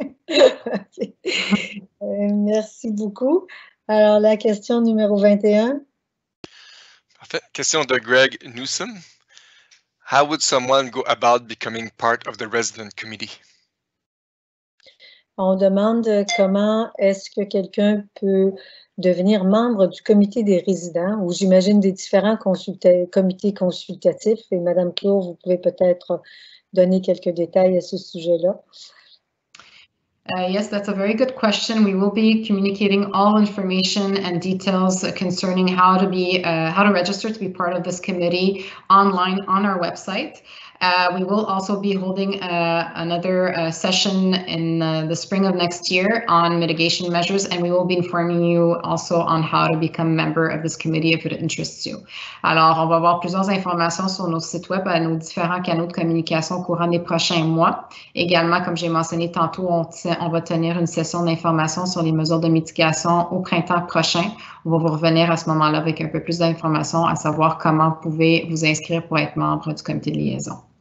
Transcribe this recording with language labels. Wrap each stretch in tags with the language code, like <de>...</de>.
<fr>Okay. Merci beaucoup. Alors, la question numéro 21. Question de Greg Newsom.</fr> <en>How would someone go about becoming part of the resident committee?</en> <fr>On demande comment est-ce que quelqu'un peut devenir membre du comité des résidents, ou j'imagine des différents comités consultatifs. Et Madame Clour, vous pouvez peut-être donner quelques détails à ce sujet-là.</fr> <en>Yes, that's a very good question. We will be communicating all information and details concerning how to register to be part of this committee online on our website. We will also be holding another session in the spring of next year on mitigation measures, and we will be informing you also on how to become a member of this committee if it interests you.</en> <fr>Alors, on va avoir plusieurs informations sur nos sites web, à nos différents canaux de communication au courant des prochains mois. Également, comme j'ai mentionné tantôt, on va tenir une session d'information sur les mesures de mitigation au printemps prochain. On va vous revenir à ce moment-là avec un peu plus d'informations, à savoir comment vous pouvez vous inscrire pour être membre du comité de liaison.</fr>